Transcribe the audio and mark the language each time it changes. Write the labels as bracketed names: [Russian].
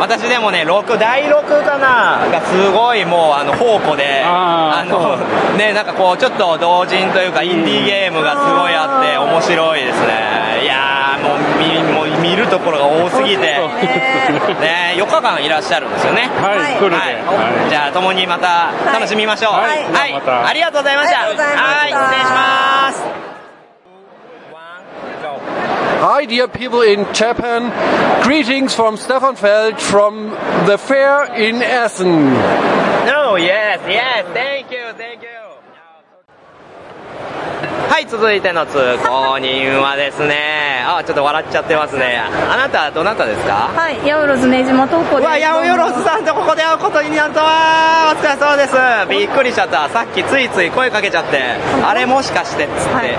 [Japanese] 私でもね、第6かながすごいもう宝庫で、ね、なんかこうちょっと同人というかインディーゲームがすごいあって面白いですね。いやー、見るところが多すぎて、ね、4日間いらっしゃるんですよね。はい、来るで、はい、じゃあ共にまた楽しみましょう。はい、はいはい、ありがとうございました。はい、失礼します。 [English] Hi dear people in Japan, greetings from Stefan Feld from the fair in Essen. No, yes, yes, thank you, thank you. [Japanese] はい、続いての通行人はですね、あ、ちょっと笑っちゃってますね。あなたはどなたですか？はい、ヤオロズネジマトウコです。うわ、ヤオヨロズさんとここで会うことになるとは、お疲れ様です。びっくりしちゃった、さっきついつい声かけちゃって、あれもしかしてっつって、はい、